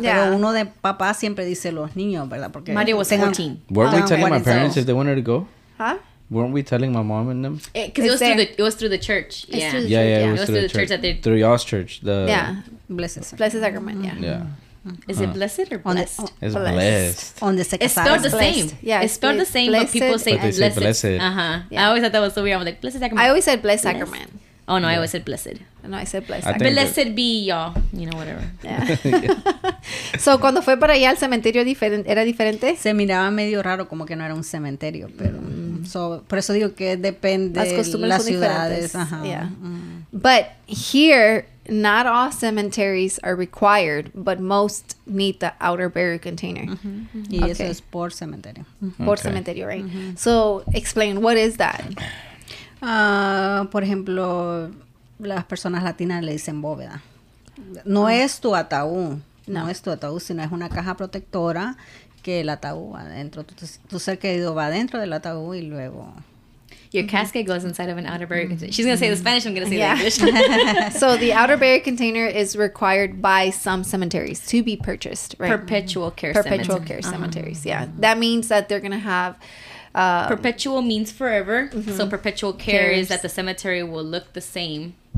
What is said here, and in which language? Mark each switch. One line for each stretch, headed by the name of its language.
Spanish: Yeah. Pero uno de papá siempre dice los niños, ¿verdad? Porque
English: Mario was 14. Weren't we telling my parents if they wanted to go? Huh? Weren't we telling my mom and them? Because it was through the church. It was through the church. Through y'all's church. Blessed Sacrament, yeah. Is it blessed or blessed? It's blessed. On the second side. It's spelled the same. Yeah. It's spelled the same, but people say blessed. Uh-huh. I always thought that was so weird. I was like, blessed sacrament. I always said blessed sacrament. Oh, no, yeah. I always said blessed. No, I said blessed. Blessed be y'all. You know, whatever. Yeah.
Spanish: So, cuando fue para allá, el cementerio era diferente? Se miraba medio raro, como que no era un cementerio. Pero, por eso digo que depende las costumbres las son ciudades. Diferentes. Uh-huh. Yeah. Mm.
English: But here, not all cemeteries are required, but most need the outer burial container. Mm-hmm.
Spanish: Mm-hmm. Y okay. Eso es por cementerio.
English: Mm-hmm. Por okay. cementerio, right? Mm-hmm. So, explain, what is that?
Spanish: Por ejemplo, las personas latinas le dicen bóveda. No es tu ataúd, no es tu ataúd, sino es una caja protectora que el ataúd va adentro. Tu ser querido va adentro del ataúd y luego...
English: Your casket goes inside of an outer burial container. She's going to say the Spanish, I'm going to say the English. So the outer burial container is required by some cemeteries to be purchased, right? Perpetual care cemeteries, yeah. That means that they're going to have... Perpetual means forever. Mm-hmm. So perpetual care is that the cemetery will look the same.